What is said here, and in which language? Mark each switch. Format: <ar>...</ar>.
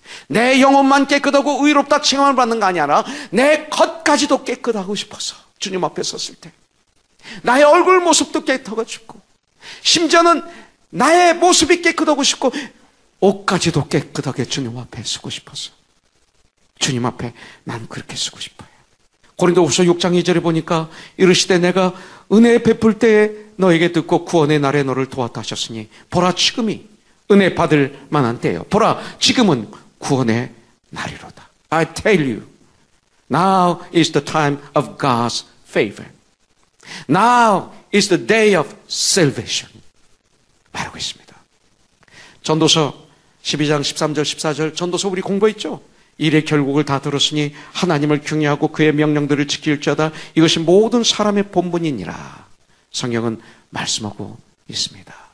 <ko>내 영혼만 깨끗하고 의롭다 칭함을 받는 게 아니라 내 겉까지도 깨끗하고 싶어서 주님 앞에 섰을 때 나의 얼굴 모습도 깨끗하고 심지어는 나의 모습이 깨끗하고 싶고 옷까지도 깨끗하게 주님 앞에 쓰고 싶어서 주님 앞에 난 그렇게 쓰고 싶어요. 고린도후서 6장 2절에 보니까 이르시되 내가 은혜 베풀 때에 너에게 듣고 구원의 날에 너를 도왔다 하셨으니 보라 지금이 은혜 받을 만한 때요. 보라 지금은 구원의 날이로다.</ko> <en>I tell you, now is the time of God's favor. Now is the day of salvation.</en> <ko>말하고 있습니다. 전도서 12장 13절 14절 전도서 우리 공부했죠? 일의 결국을 다 들었으니 하나님을 경외하고 그의 명령들을 지킬지어다. 이것이 모든 사람의 본분이니라. 성경은 말씀하고 있습니다.</ko>